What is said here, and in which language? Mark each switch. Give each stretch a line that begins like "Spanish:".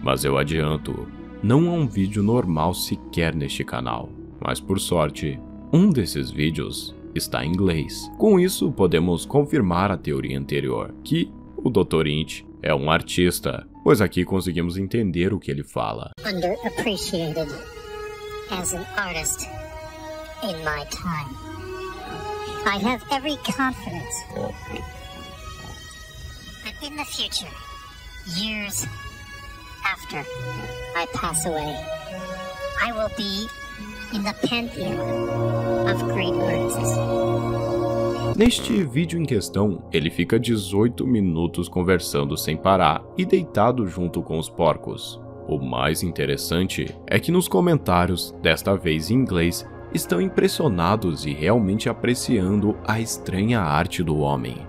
Portuguese: Mas eu adianto, não há um vídeo normal sequer neste canal. Mas por sorte, um desses vídeos está em inglês. Com isso, podemos confirmar a teoria anterior, que o Dr. Int é um artista, pois aqui conseguimos entender o que ele fala.
English: Underappreciated as an artist in my time. I have every confidence that in the future, years after I pass away, I will be in the pantheon of great artists.
Portuguese: Neste vídeo em questão, ele fica 18 minutos conversando sem parar e deitado junto com os porcos. O mais interessante é que nos comentários, desta vez em inglês, estão impressionados e realmente apreciando a estranha arte do homem.